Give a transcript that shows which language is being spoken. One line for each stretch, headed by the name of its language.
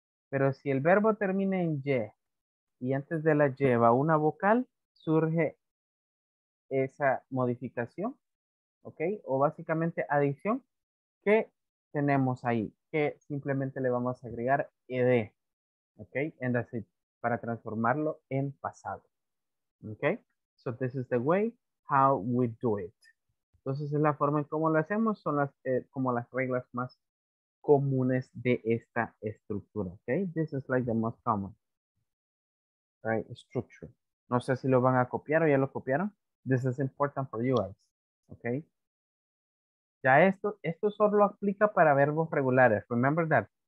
Spanish: Pero si el verbo termina en Y y antes de la Y va una vocal, surge esa modificación. ¿Ok? O básicamente adición, ¿qué tenemos ahí? Que simplemente le vamos a agregar ed, ¿ok?
English: And that's it,
Spanish: para transformarlo en pasado. ¿Ok?
English: So this is the way how we do it.
Spanish: Entonces es la forma en cómo lo hacemos, son las, como las reglas más comunes de esta estructura, ¿ok?
English: This is like the most common, right? Structure.
Spanish: No sé si lo van a copiar o ya lo copiaron.
English: This is important for you guys. Ok.
Spanish: Ya esto solo aplica para verbos regulares.
English: Remember that.